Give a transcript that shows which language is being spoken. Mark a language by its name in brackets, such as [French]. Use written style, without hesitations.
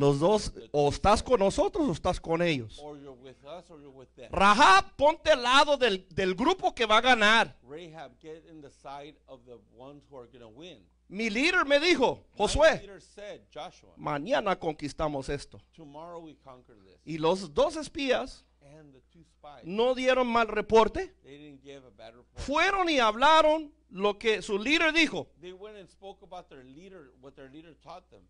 [Spanish] los dos, o estás con nosotros o estás con ellos. [English] Or you're with us, or you're with them. [Spanish] Rahab, ponte al lado del grupo que va a ganar. [English] Rahab, get in the side of the ones who are going to win. [Spanish] Mi líder me dijo, Josué, [English] said, Joshua, [Spanish] mañana conquistamos esto. [English] Tomorrow we conquer this. [Spanish] Y los dos espías [English] and the two spies, [Spanish] no dieron mal reporte. [English] They didn't give a bad report. [Spanish] Fueron y hablaron lo que su líder dijo. [English] They went and spoke about their leader, what their leader taught them.